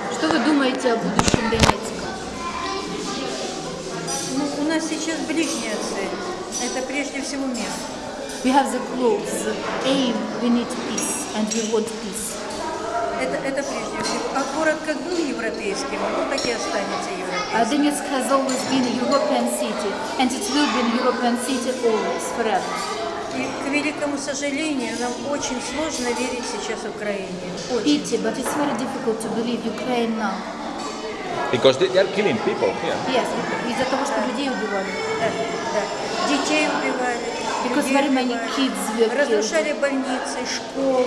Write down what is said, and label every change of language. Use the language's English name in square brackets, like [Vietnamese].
[Russian] Что вы думаете о будущем Донецка? У нас сейчас ближняя цель. Это прежде всего мир. [English] We have the goals, the aim, we need peace, and we want peace. [Russian] Это прежде всего. А город как был европейским, он так и останется европейским. [English] Донецк has always been a European city, and it will be a European city always, forever. [Russian] И, к великому сожалению, нам очень сложно верить сейчас Украине. [English] Pity, but it's very difficult to believe Ukraine now. Because they are killing people here. [Russian] Yes, из-за того, что людей убивали. Да. Детей убивали. [English] Because very many kids were killed. [Russian] Разрушали больницы, школы.